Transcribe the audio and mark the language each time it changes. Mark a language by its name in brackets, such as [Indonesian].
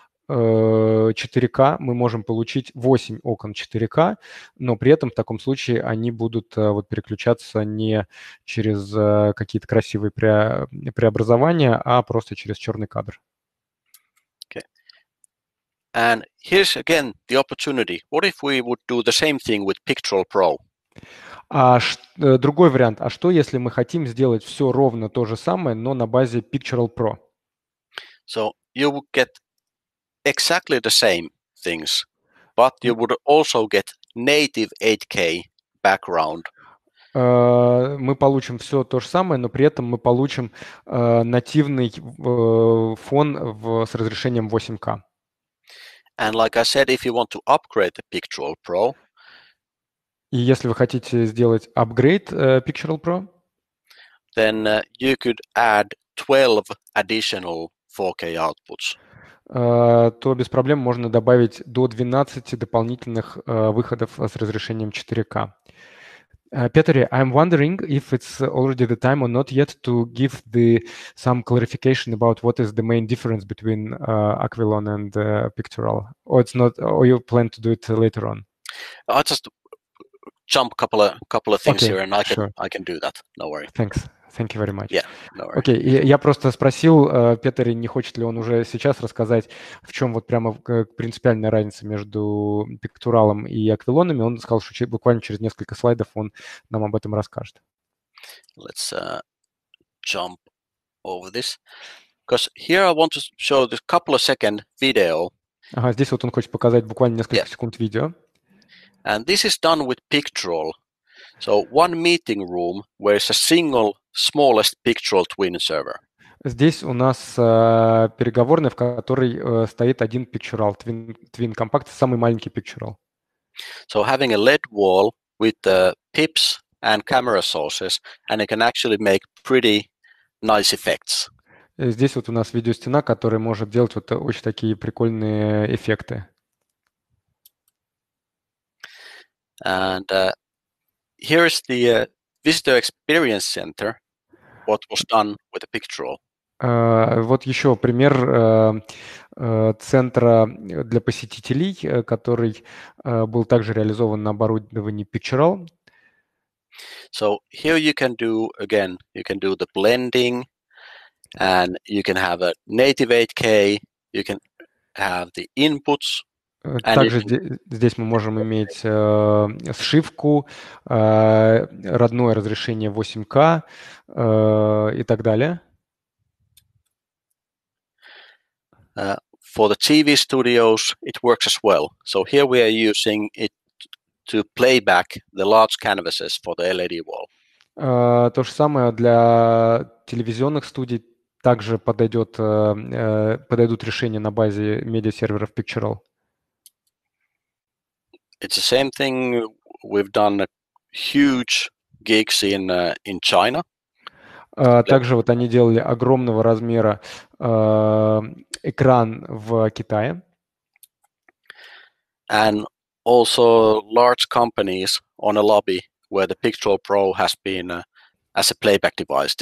[Russian] 4К, мы можем получить 8 окон 4К, но при этом в таком случае они будут вот, переключаться не через какие-то красивые преобразования, а просто через черный кадр. [English] Okay. And here's again the opportunity. What if we would do the same thing with Picturall Pro? [Russian] Другой вариант. А что, если мы хотим сделать все ровно то же самое, но на базе Picturall Pro? [English] So you would get exactly the same things, but you would also get native 8K background. [Russian] Мы получим все то же самое, но при этом мы получим нативный фон с разрешением 8K. [English] And like I said, if you want to upgrade the Picturall Pro, [Russian] и если вы хотите сделать апгрейд Picturall Pro, [English] then you could add 12 additional 4K outputs. [Russian] То без проблем можно добавить до 12 дополнительных выходов с разрешением 4K. [English] Петри, I'm wondering if it's already the time or not yet to give the some clarification about what is the main difference between Aquilon and Picturall. Or it's not, or you plan to do it later on? I just jump couple of things okay, here and I can do that. No worry. Thanks. Thank you very much. Yeah, no worries. [Russian] Okay, я просто спросил Петри, не хочет ли он уже сейчас рассказать, в чем вот прямо принципиальная разница между пиктуралом и аквилонами. Он сказал, что буквально через несколько слайдов он нам об этом расскажет. [English] Let's jump over this. Because here I want to show this couple of second video. [Russian] Ага, здесь вот он хочет показать буквально несколько yeah. секунд видео. [English] And this is done with Picturall. So one meeting room where it's a single smallest Picturall twin server. [Russian] Здесь у нас переговорная, в которой стоит один Picturall twin compact, самый маленький Picturall. [English] So having a LED wall with the pips and camera sources, and it can actually make pretty nice effects. [Russian] Здесь вот у нас видеостена, которая может делать вот очень такие прикольные эффекты. [English] And here is the visitor experience center, what was done with the Picturall. [Russian] Вот еще пример центра для посетителей, который был также реализован на оборудовании Picturall. [English] So here you can do, again, you can do the blending, and you can have a native 8K, you can have the inputs. [Russian] Также здесь мы можем иметь сшивку, родное разрешение 8К и так далее. [English] For the TV studios, it works as well. So here we are using it to play back the large canvases for the LED wall. [Russian] То же самое для телевизионных студий. Также подойдут решения на базе медиа-серверов Picturall. [English] It's the same thing. We've done huge gigs in China. [Russian] Также вот они делали огромного размера экран в Китае. [English] And also large companies on a lobby where the Picturall Pro has been as a playback device.